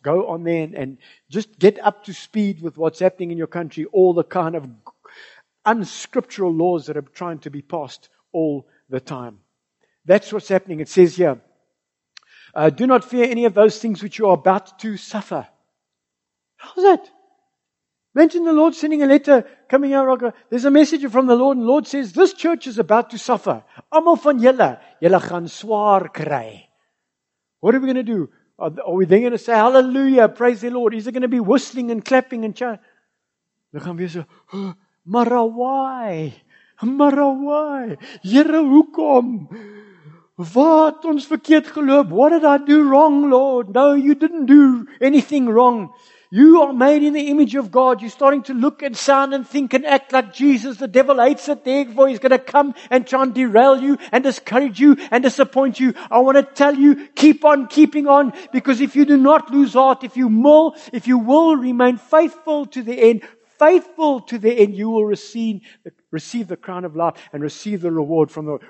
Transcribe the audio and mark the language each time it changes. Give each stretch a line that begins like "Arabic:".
English: Go on there and just get up to speed with what's happening in your country, all the kind of unscriptural laws that are trying to be passed all the time. That's what's happening. It says here, do not fear any of those things which you are about to suffer. How's that? Imagine the Lord sending a letter coming out. There's a message from the Lord, and the Lord says, this church is about to suffer.
Afrikaans: Almal van julle, julle gaan swaar kry.
English: What are we going to do? Are we then going to say, hallelujah, praise the Lord? Is it going to be whistling and clapping and chanting? We're going to be so, mara why? Mara why?
Afrikaans: Here, hoekom? Wat ons verkeerd geloop?
English: What did I do wrong, Lord? No, you didn't do anything wrong. You are made in the image of God. You're starting to look and sound and think and act like Jesus. The devil hates it. Therefore, he's going to come and try and derail you and discourage you and disappoint you. I want to tell you, keep on keeping on, because if you do not lose heart, if you will remain faithful to the end, you will receive the crown of life and receive the reward from the Lord.